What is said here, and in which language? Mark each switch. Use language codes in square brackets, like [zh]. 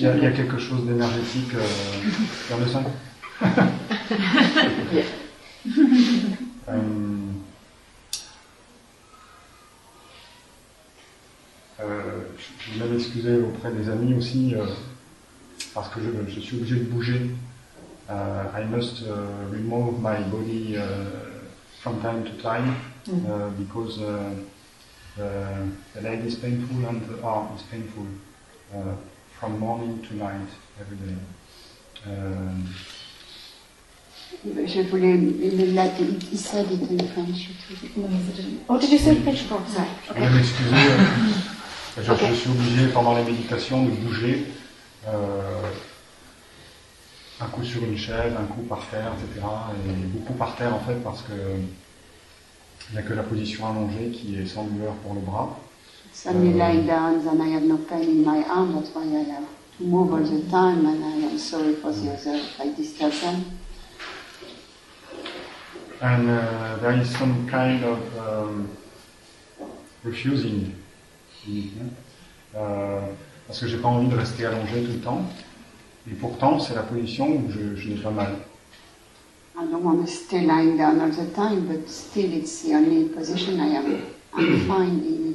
[fr] Il y a quelque chose d'énergétique dans le sang. Yeah. Je vais m'excuser auprès des amis aussi, parce que je suis obligé de bouger [en] I must remove my body from time to time because the leg is painful and the arm is painful from morning to night every day. [fr] Je voulais le latin. Il s'est dit en français. [en] Oh, did you say French? Oh, sorry. [fr] Okay. Excusez. Je suis obligé pendant la méditation de bouger un coup sur une chaise, un coup par terre, etc. Et beaucoup par terre en fait parce que il n'y a que la position allongée qui est sans douleur pour le bras. [en] Some lay down and I have no pain in my arm. That's why I have to move all the time and I am sorry for the other distraction. And there is some kind of refusing. [fr] Parce que j'ai pas envie de rester allongé tout le temps. Et pourtant, c'est la position où je n'ai pas mal. [en] I don't want to stay lying down all the time, but still it's the only position I am finding.